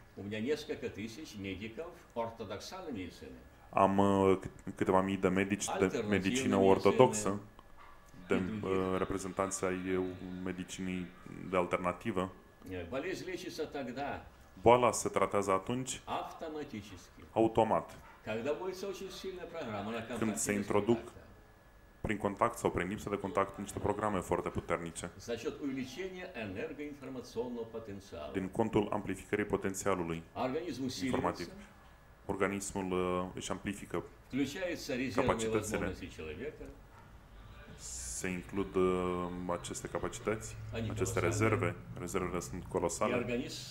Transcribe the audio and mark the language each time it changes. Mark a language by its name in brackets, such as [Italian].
[Russian] У меня несколько тысяч медиков ортодоксальной медицины. [Romanian] Am câteva mii de medici de medicină ortodoxă, de reprezentanți ai medicinii de alternativă. [Russian] Болезнь лечится тогда. [Romanian] Boala se tratează atunci automat. [Russian] Когда будет очень сильная программа на контакте. [Romanian] Când se introduc prin contact sau prin lipsă de contact niște programe foarte puternice. [Russian] За счет увеличения энергоинформационного потенциала. [Romanian] Din contul amplificării potențialului. [Russian] Организм информатив. [Romanian] Organismul își amplifică capacitățile. Se includ aceste capacități, aceste rezerve, rezervele sunt colosale.